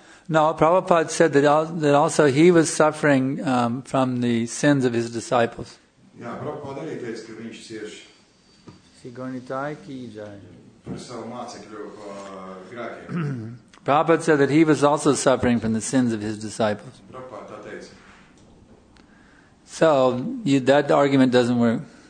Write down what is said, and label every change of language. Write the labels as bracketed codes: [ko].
[en] No, Prabhupada said that also he was suffering from the sins of his disciples. [lv] Yeah, Prabhupada arī teica, ka viņš cieš. Sigoni taiki jai. Par savu mācekļu grēkiem. [en] Prabhupada said that he was also suffering from the sins of his disciples. So, that argument doesn't work.